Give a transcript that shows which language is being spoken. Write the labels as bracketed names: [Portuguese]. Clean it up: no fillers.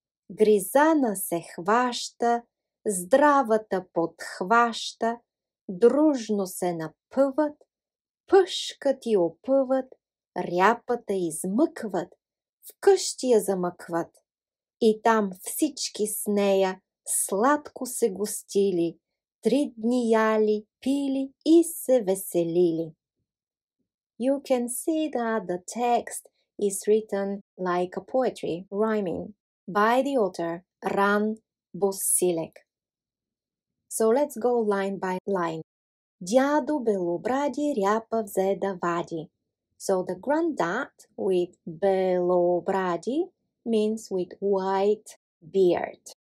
[Bulgarian] Гризана се хваща, здравата подхваща, дружно се напъват, пъшкат и опъват, ряпата измъкват, вкъщи я замъкват. И там всички с нея сладко се гостили, три дни яли, пили и се веселили. [English] You can see that the text is written like a poetry, rhyming, by the author Ran Bosilek. So let's go line by line. [Bulgarian] Дядо белобради ряпа взе да вади. [English] So the granddad with белобради means with white beard.